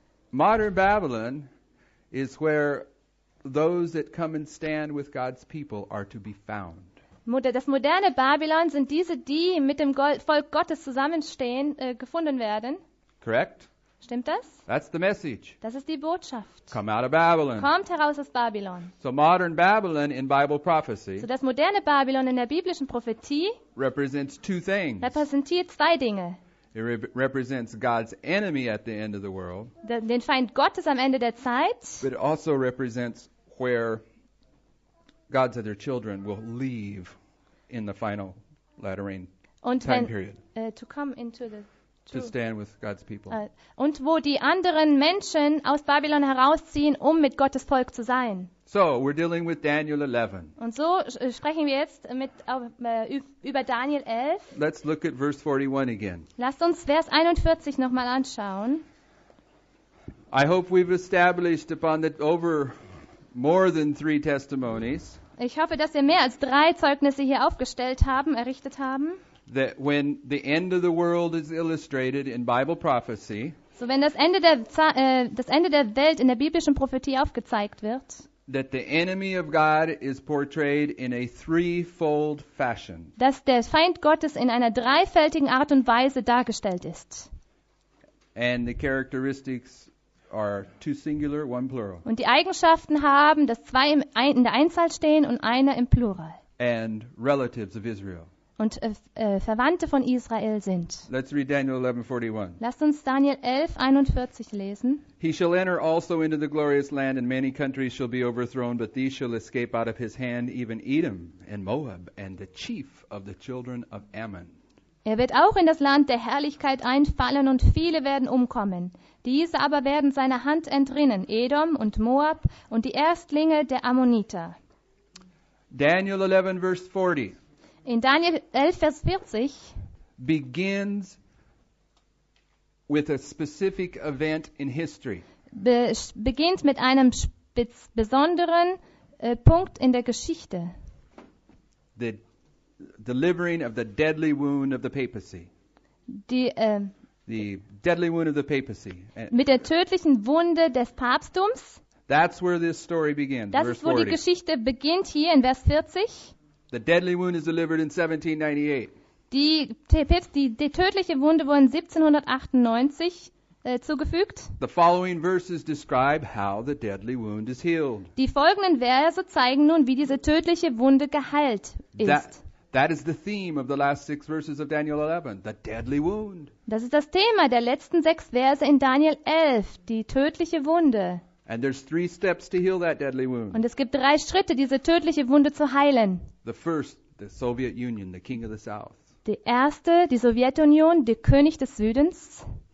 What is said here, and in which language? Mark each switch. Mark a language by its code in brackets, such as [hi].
[en] Modern Babylon is where those that come and stand with God's people are to be found. [de] Das moderne Babylon sind diese, die mit dem Volk Gottes zusammenstehen, gefunden werden. [en] Correct? [de] Stimmt das? [en] That's the message. [de] Das ist die Botschaft. [en] Come out of Babylon. [de] Kommt heraus aus Babylon. [en] So modern Babylon in Bible prophecy. [de] So das moderne Babylon in der biblischen Prophetie [en] represents two things. [de] Repräsentiert zwei Dinge. [en] It represents God's enemy at the end of the world. [de] Den Feind Gottes am Ende der Zeit. [en] But it also represents where God's other children will leave in the final latter rain time period. To come into the to stand with God's people. [de] Und wo die anderen Menschen aus Babylon herausziehen, um mit Gottes Volk zu sein. [en] So, we're dealing with Daniel 11. [de] Und so sprechen wir jetzt über Daniel 11. [en] Let's look at verse 41 again. [de] Lasst uns Vers 41 nochmal anschauen. [en] I hope we've established upon that over more than three testimonies. [de] Ich hoffe, dass wir mehr als drei Zeugnisse hier aufgestellt haben, errichtet haben. [en] That when the end of the world is illustrated in Bible prophecy, [de] so wenn das Ende der Welt in der biblischen Prophetie aufgezeigt wird, [en] that the enemy of God is portrayed in a threefold fashion, [de] dass der Feind Gottes in einer dreifältigen Art und Weise dargestellt ist, [en] and the characteristics are two singular, one plural, [de] und die Eigenschaften haben, dass zwei in der Einzahl stehen und einer im Plural, [en] and relatives of Israel. [de] Und Verwandte von Israel sind. [en] Let's read Daniel 11:41. [de] Lasst uns Daniel 11:41 lesen. [en] He shall enter also into the glorious land, and many countries shall be overthrown, but these shall escape out of his hand, even Edom and Moab and the chief of the children of Ammon. [de] Er wird auch in das Land der Herrlichkeit einfallen, und viele werden umkommen. Diese aber werden seiner Hand entrinnen, Edom und Moab und die Erstlinge der Ammoniter. [en] Daniel 11, verse 40. [de] In Daniel 11, Vers 40 [en] begins with a specific event in history. [de] Beginnt mit einem besonderen Punkt in der Geschichte. [en] The delivering of the deadly wound of the papacy. The deadly wound of the papacy. [de] Mit der tödlichen Wunde des Papsttums. [en] That's where this story begins. [de] Das ist, wo die Geschichte beginnt, hier in Vers 40. [en] The deadly wound is delivered in 1798. [de] Die tödliche Wunde wurde 1798 zugefügt. [en] The following verses describe how the deadly wound is healed. [de] Die folgenden Verse zeigen nun, wie diese tödliche Wunde geheilt ist. [en] That is the theme of the last six verses of Daniel 11, the deadly wound. [de] Das ist das Thema der letzten sechs Verse in Daniel 11, die tödliche Wunde. [en] And there's three steps to heal that deadly wound. [de] Und es gibt drei Schritte, diese tödliche Wunde zu heilen. [en] The first, the Soviet Union, the king of the south. [de] Die erste, die Sowjetunion, der König des Südens.